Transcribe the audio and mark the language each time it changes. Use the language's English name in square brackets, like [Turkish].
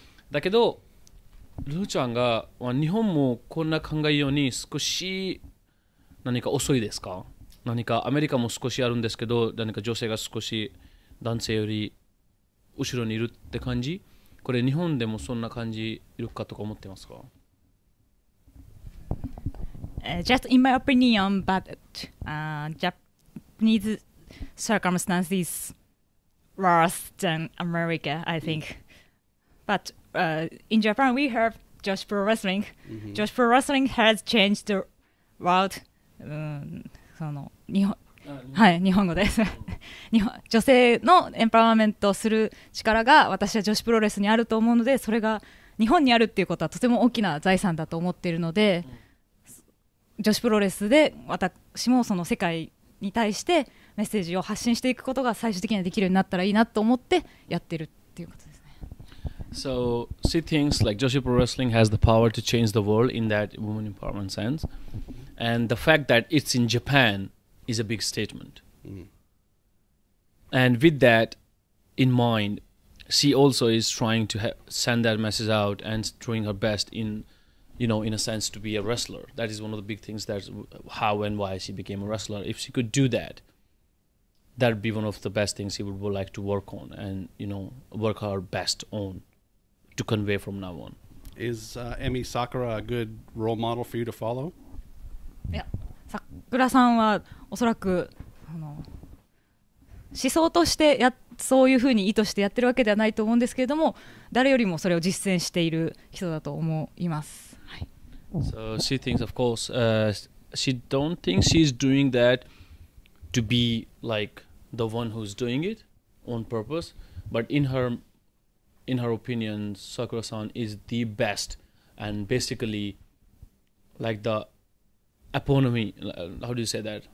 [Japanese] だけどルーちゃんが日本もこんな考えように少し何か遅いですか？何かアメリカも少しあるんですけど、何か女性が少し男性より後ろにいるって感じ？これ日本でもそんな感じいるかとか思ってますか？ [English] Just in my opinion, but Japanese circumstances worse than America, I think. But in Japan, we have Joshi Pro Wrestling. Mm-hmm. Joshi Pro Wrestling has changed the world. [Japanese] その日本はい日本語です。日本女性のエンパワーメントをする力が私は Joshi Pro Wrestling にあると思うので、それが日本にあるっていうことはとても大きな財産だと思っているので。女子プロレスで私もその世界に対してメッセージを発信していくことが最終的にはできるようになったらいいなと思ってやってるっていうことですね。 [English] So she thinks like Joshi Pro Wrestling has the power to change the world in that woman empowerment sense, and the fact that it's in Japan is a big statement. And with that in mind, she also is trying to send that message out and doing her best inYou know, in a sense, to be a wrestler. That is one of the big things, that's how and why she became a wrestler. If she could do that, that would be one of the best things she would like to work on and, you know, work her best on to convey from now on. Is Emi Sakura a good role model for you to follow? [Japanese] Yeah, Sakura-san は恐らく思想としてやそういうふうに意図してやってるわけではないと思うんですけれども、誰よりもそれを実践している人だと思います。 [English] So she thinks, of course, she don't think she's doing that to be like the one who's doing it on purpose. But in her opinion, Sakura-san is the best and basically like the epitome, how do you say that?